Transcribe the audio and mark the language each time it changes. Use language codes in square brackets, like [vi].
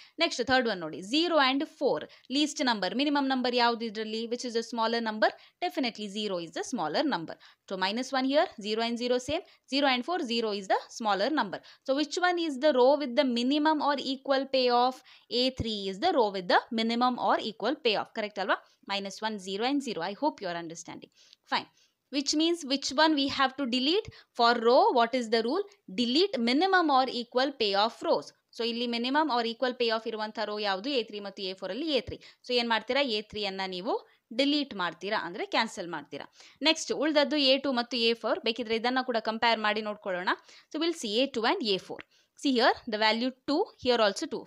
[en] next third one ನೋಡಿ, zero and four least number, minimum number [kn] ಯಾವುದು ಇದರಲ್ಲಿ? [en] Which is a smaller number? Definitely zero is the smaller number. So minus one here, zero and zero same, zero and four zero is the smaller number. So which one is the row with the minimum or equal payoff? A three is the row with the minimum or equal payoff, correct ಅಲ್ವಾ? Minus one, zero and zero. I hope you are understanding. Fine, which means which one we have to delete for row, what is the rule? Delete minimum or equal payoff rows. [kn] So ಇಲ್ಲಿ [en] minimum or equal payoff [kn] ಇರುವಂಥ rho ಯಾವುದು? A three ಮತ್ತು A four ಅಲ್ಲಿ A three. So ಏನು ಮಾಡ್ತೀರಾ? A ತ್ರೀಯನ್ನು ನೀವು delete ಮಾಡ್ತೀರಾ, ಅಂದರೆ ಕ್ಯಾನ್ಸಲ್ ಮಾಡ್ತೀರಾ. ನೆಕ್ಸ್ಟ್ ಉಳಿದದ್ದು ಎ ಟು ಮತ್ತು ಎ ಫೋರ್. ಬೇಕಿದ್ರೆ ಇದನ್ನು ಕೂಡ ಕಂಪೇರ್ ಮಾಡಿ ನೋಡ್ಕೊಳ್ಳೋಣ. [en] So will see A two and A four. See here the value two, here also two.